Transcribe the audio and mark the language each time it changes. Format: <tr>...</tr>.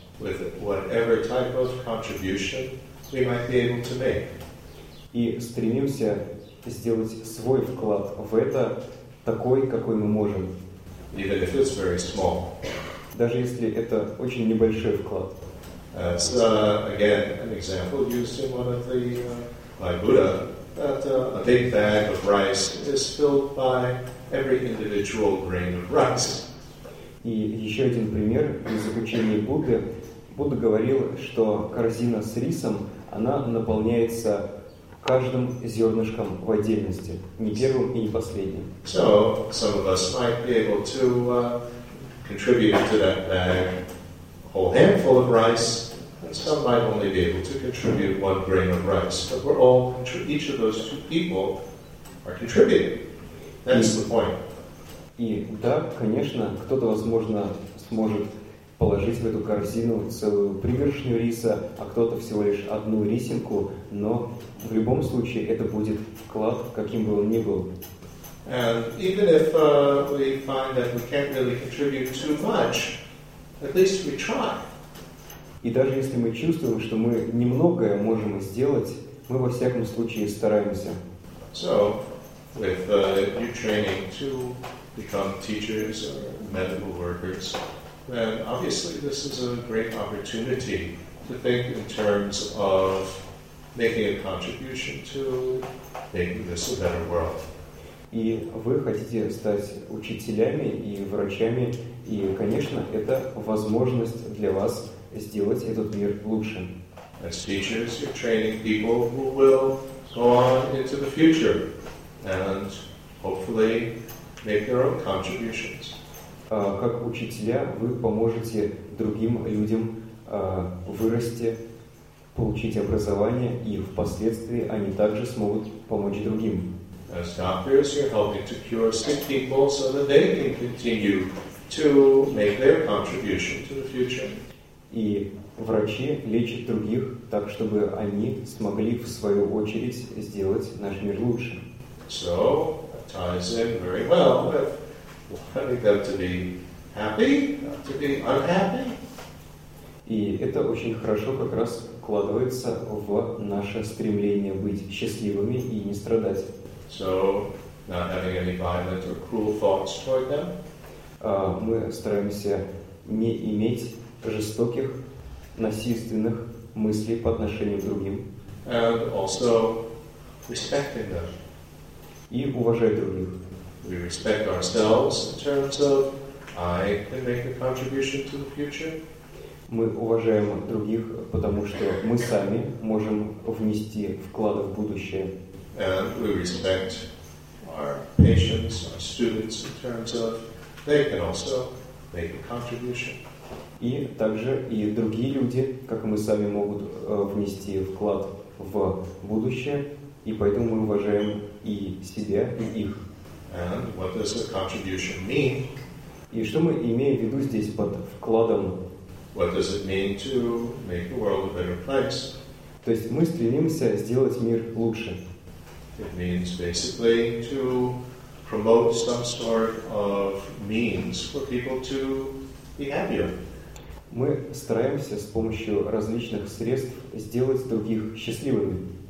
<en>with whatever type of contribution we might be able to make.</en> <ru>И стремимся сделать свой вклад в это такой, какой мы можем.</ru> <en>Even if it's very small.</en> <ru>Даже если это очень небольшой вклад.</ru> <en>It's again an example used in one of the by Buddha that a big bag of rice is filled by every individual grain of rice.</en> <ru>И еще один пример из учения Будды. Будда говорил, что корзина с рисом, она наполняется каждым зернышком в отдельности, не первым и не последним.</ru> <en>So some of us might be able to contribute to that bag a whole handful of rice, and some might only be able to contribute one grain of rice. But we're all, each of those two people are contributing. That's the point.</en> <ru>И да, конечно, кто-то, возможно, сможет положить в эту корзину целую пригоршню риса, а кто-то всего лишь одну рисинку, но в любом случае это будет вклад, каким бы он ни был.</ru> <en>And even if we find that we can't really contribute too much, at least we try.</en> <ru>И даже если мы чувствуем, что мы немногое можем сделать, мы во всяком случае стараемся.</ru> <en>So, with new training to become teachers or medical workers, then obviously this is a great opportunity to think in terms of making a contribution to making this a better world.</en> <ru>И вы хотите стать учителями и врачами, и, конечно, это возможность для вас сделать этот мир лучше.</ru> <en>As teachers, you're training people who will go on into the future and hopefully make their own contributions.</en> <ru>Как учителя, вы поможете другим людям вырасти, получить образование, и впоследствии они также смогут помочь другим.</ru> <en>As doctors, you're helping to cure sick people so that they can continue to make their contribution to the future.</en> <ru>И врачи лечат других так, чтобы они смогли в свою очередь сделать наш мир лучше.</ru> <en>So, that ties in very well with wanting them to be happy, not to be unhappy.</en> <ru>И это очень хорошо как раз укладывается в наше стремление быть счастливыми и не страдать.</ru> <en>So, not having any violent or cruel thoughts toward them.</en> <ru>Мы стараемся не иметь жестоких, насильственных мыслей по отношению к другим.</ru> <en>And also respecting them.</en> <ru>И уважать других.</ru> <en>We respect ourselves in terms of I can make a contribution to the future.</en> <ru>Мы уважаем других, потому что мы сами можем внести вклад в будущее.</ru> <en>And we respect our patients, our students, in terms of they can also make a contribution.</en> <ru>И также и другие люди, как мы сами, могут внести вклад в будущее, и поэтому мы уважаем и себя, и их.</ru> <en>And what does a contribution mean?</en> <ru>И что мы имеем в виду здесь под вкладом?</ru> <en>What does it mean to make the world a better place?</en> <ru>То есть мы стремимся сделать мир лучше.</ru> <en>It means basically to promote some sort of means for people to be happier.</en> <ru>Мы стараемся с помощью различных средств сделать других счастливыми.</ru>